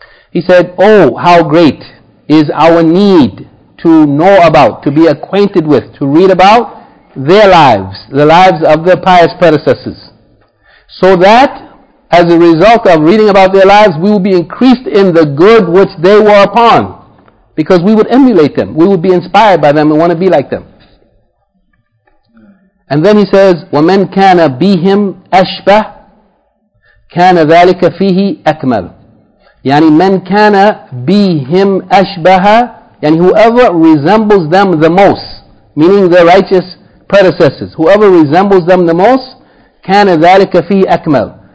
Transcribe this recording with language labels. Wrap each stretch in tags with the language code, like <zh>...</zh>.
<en>He said, oh, how great is our need to know about, to be acquainted with, to read about their lives, the lives of their pious predecessors. So that, as a result of reading about their lives, we will be increased in the good which they were upon. Because we would emulate them, we would be inspired by them and want to be like them. And then he says,</en> <ar>وَمَنْ كَانَ بِهِمْ أَشْبَهُ كَانَ ذَلِكَ فِيهِ أَكْمَلُ.</ar> <en>Yani,</en> <ar>مَنْ كَانَ بِهِمْ أَشْبَهَ,</ar> <en>yani whoever resembles them the most, meaning their righteous predecessors, whoever resembles them the most,</en> <ar>كَانَ ذَلِكَ فِيهِ أَكْمَلُ.</ar>